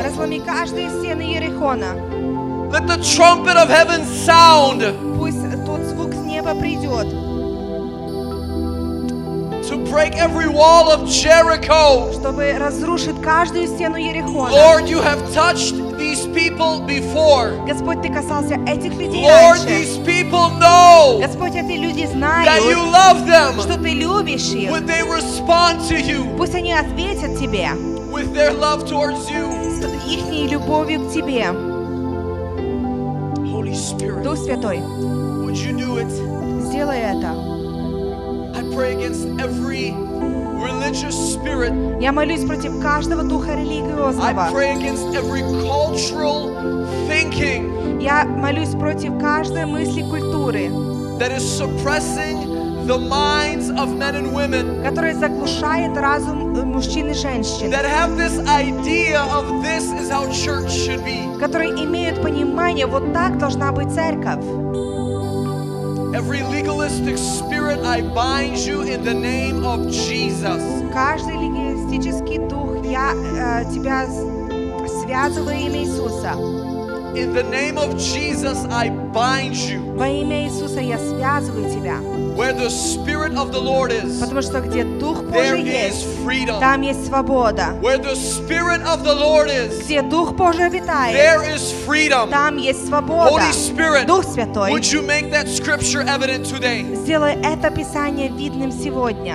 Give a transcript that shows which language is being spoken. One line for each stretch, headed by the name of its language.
Russian: Разломи каждые стены Иерихона.
English: Let the trumpet of heaven sound.
Russian: Пусть тот звук с неба придет.
English: To break every wall of Jericho.
Russian: Чтобы разрушить каждую стену Иерихона.
English: Lord, you have touched these people before.
Russian: Господь, ты касался этих людей раньше.
English: Lord, these people know.
Russian: Господь, эти люди знают.
English: That you love them.
Russian: Что ты любишь их.
English: Would they respond to you?
Russian: Пусть они ответят тебе.
English: With their love towards you.
Russian: С ихней любовью к тебе.
English: Holy Spirit.
Russian: Дух Святой.
English: Would you do it?
Russian: Сделай это.
English: I pray against every religious spirit.
Russian: Я молюсь против каждого духа религиозного.
English: I pray against every cultural thinking.
Russian: Я молюсь против каждой мысли культуры.
English: That is suppressing the minds of men and women.
Russian: Которая заглушает разум мужчин и женщин.
English: That have this idea of this is how church should be.
Russian: Которые имеют понимание, вот так должна быть церковь.
English: Every legalistic spirit, I bind you in the name of Jesus.
Russian: Каждый легалистический дух, я тебя связываю имя Иисуса.
English: In the name of Jesus, I bind you.
Russian: Во имя Иисуса я связываю тебя.
English: Where the Spirit of the Lord is.
Russian: Потому что где дух Божий есть, там есть свобода.
English: Where the Spirit of the Lord is.
Russian: Где дух Божий обитает,
English: there is freedom.
Russian: Там есть свобода.
English: Holy Spirit,
Russian: Дух Святой,
English: would you make that scripture evident today?
Russian: Сделай это писание видным сегодня.